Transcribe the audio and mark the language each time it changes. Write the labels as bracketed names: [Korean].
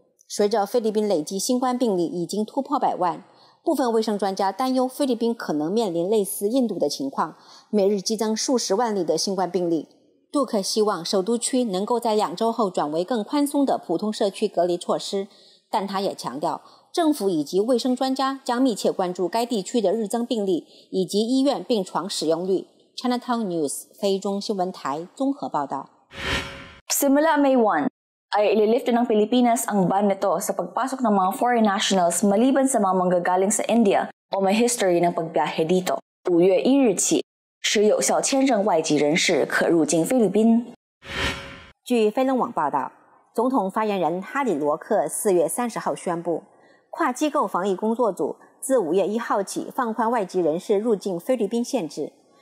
[Chinese] 随着菲律宾累计新冠病例已经突破百万，部分卫生专家担忧菲律宾可能面临类似印度的情况，每日激增数十万例的新冠病例。杜克希望首都区能够在两周后转为更宽松的普通社区隔离措施，但他也强调，政府以及卫生专家将密切关注该地区的日增病例以及医院病床使用率。 Chinatown News 非中新闻台综合报道。 [Filipino] Simula May 1ay ililift ng Pilipinas ang ban nito sa pagpasok ng mga foreign nationals maliban sa mga manggagaling sa India o may history ng pagbiyahe dito. [Chinese] 5月1日起，持有效签证外籍人士可入境菲律宾。据飞龙网报道，总统发言人哈里·罗克4月30号宣布，跨机构防疫工作组自5月1号起放宽外籍人士入境菲律宾限制。